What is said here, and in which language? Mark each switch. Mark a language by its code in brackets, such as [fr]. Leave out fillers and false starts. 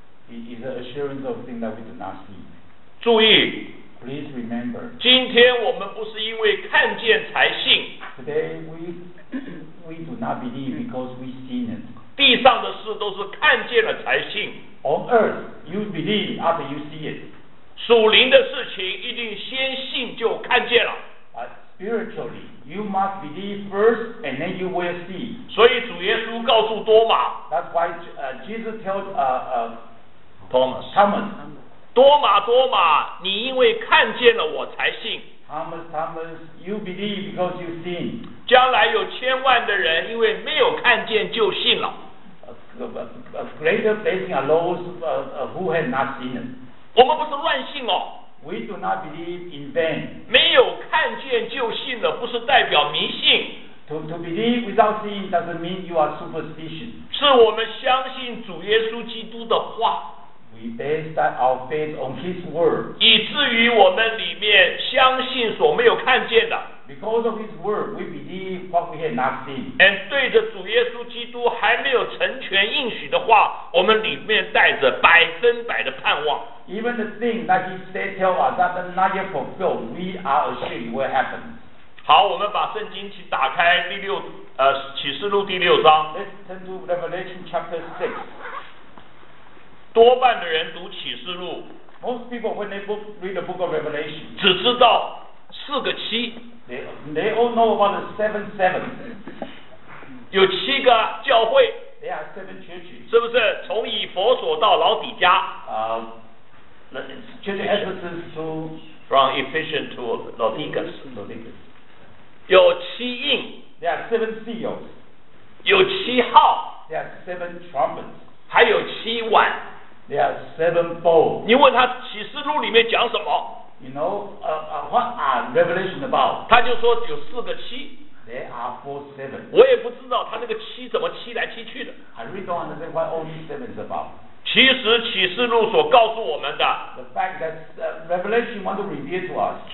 [en] It is an assurance of things that we do not see. [zh] 注意。 [en] Please remember. [zh] 今天我们不是因为看见才信。 [en] Today we do not believe because we seen it. [zh] 地上的事都是看见了才信。 [en] On earth, you believe after you see it. [zh] 属灵的事情一定先信就看见了。 [en] Spiritually, you must believe first, and then you will see. [zh] 所以主耶稣告诉多马。 [en] That's why Jesus told Thomas. Thomas. [zh] 多马，多马，你因为看见了我才信。 [en] Thomas, Thomas, you believe because you seen. [zh] 将来有千万的人因为没有看见就信了。 [en] A greater blessing are those who have not seen it. [zh] 我们不是乱信哦。 [en] We do not believe in vain. [zh] 没有看见就信了，不是代表迷信。 [en] To believe without seeing doesn't mean you are superstition. [zh] 是我们相信主耶稣基督的话。 [en] We base that our faith on His word. [zh] 以至于我们里面相信所没有看见的。 [en] Because of His word, we believe what we have not seen. [zh] And 对着主耶稣基督还没有成全应许的话，我们里面带着百分百的盼望。 [en] Even the thing that He said tell us that is not yet fulfilled, we are assured it will happen. [zh] 好，我们把圣经去打开第六启示录第六章。 [en] Let's turn to Revelation chapter 6. [zh] 多半的人读启示录。 [en] Most people when they book, read the book of Revelation, [zh] 只知道四个七。 [en] They all know about the seven sevens. [zh] 有七个教会。 [en] They are seven churches. [zh] 是不是从以弗所到老底家？ [en] From Ephesians to Laodicus. [zh] 有七印。 [en] There are seven seals. [zh] 有七号。 [en] There are seven trumpets. [zh] 还有七碗。 [en] There are seven bowls. [zh] 你问他启示录里面讲什么？ [en] You know, what are Revelation about? [zh] 他就说有四个七。 [en] There are four sevens. [zh] 我也不知道他那个七怎么七来七去的。 [en] I really don't understand what all these sevens about. [zh] 其实启示录所告诉我们的。 [en] The fact that Revelation want to reveal to us.